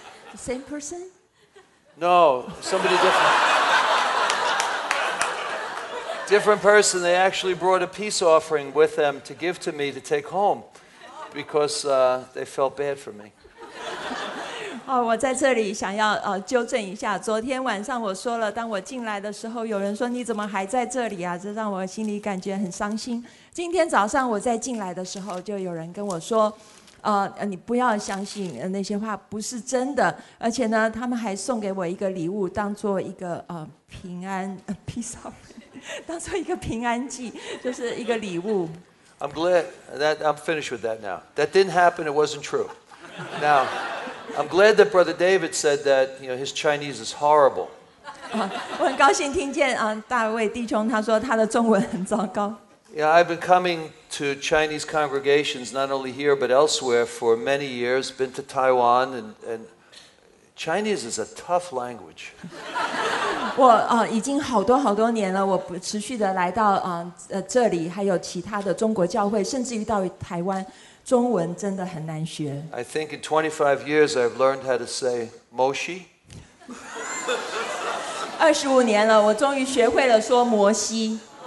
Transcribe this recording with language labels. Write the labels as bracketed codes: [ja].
[en] The same person? No, somebody different. Different person. They actually brought a peace offering with them to give to me to take home because they felt bad for me. [zh] 我在这里想要纠正一下，昨天晚上我说了，当我进来的时候，有人说你怎么还在这里啊？这让我心里感觉很伤心。今天早上我在进来的时候，就有人跟我说。你不要相信那些话不是真的，而且呢，他们还送给我一个礼物，当做一个平安 [en] peace offering， [zh] 当做一个平安祭，就是一个礼物。 [en] I'm glad that I'm finished with that now. That didn't happen. It wasn't true. Now, I'm glad that Brother David said that you know his Chinese is horrible. [zh] 我很高兴听见大卫弟兄他说他的中文很糟糕。 [en] Yeah, I've been coming to Chinese congregations, not only here but elsewhere, for many years. Been to Taiwan, and Chinese is a tough language. [zh] 我已经好多好多年了，我持续的来到这里，还有其他的中国教会，甚至于到台湾，中文真的很难学。 [en] I think in 25 years I've learned how to say Moshi. [zh] 二十五年了，我终于学会了说摩西。